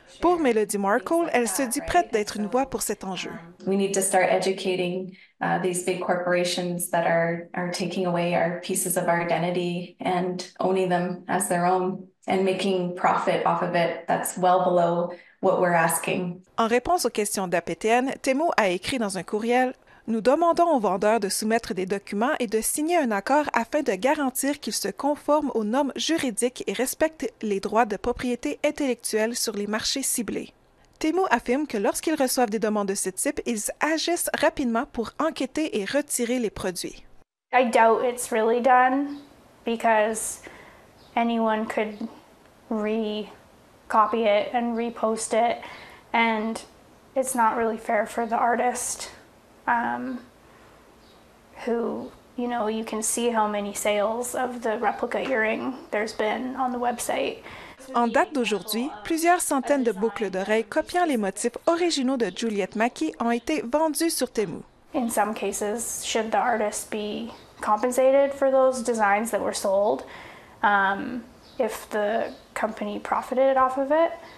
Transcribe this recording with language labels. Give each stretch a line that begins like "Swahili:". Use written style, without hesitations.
French: Pour Melody Markle, elle se dit prête d'être une voix pour cet enjeu.
English: We need to start educating these big corporations that are taking away our pieces of our identity and owning them as their own and making profit off of it that's well below what we're asking.
French: En réponse aux questions d'APTN, Temu a écrit dans un courriel: nous demandons aux vendeurs de soumettre des documents et de signer un accord afin de garantir qu'ils se conforment aux normes juridiques et respectent les droits de propriété intellectuelle sur les marchés ciblés. Temu affirme que lorsqu'ils reçoivent des demandes de ce type, ils agissent rapidement pour enquêter et retirer les produits.
English: I doubt it's really done because anyone could re-copy it and repost it, and it's not really fair for the artist. Who you know, you can see how many sales of the replica earring there's been on the website.
French: En date d'aujourd'hui, plusieurs centaines de boucles d'oreilles copiant les motifs originaux de Juliette Mackie ont été vendues sur Temu.
English: In some cases, should the artist be compensated for those designs that were sold, if the company profited off of it?